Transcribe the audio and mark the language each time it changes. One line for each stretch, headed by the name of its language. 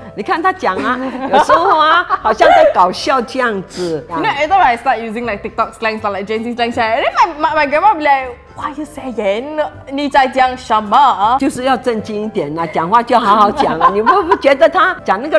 Chinese: 你看他讲啊，有时候啊，好像在搞笑这样子。
English: You know, every time I start using like TikTok slang or like Gen Z slang, and then my grandma be like, "Why are you saying?
Chinese: 你在讲什么？"就是要正经一点呐，讲话就好好讲啊。你们不觉得他讲那个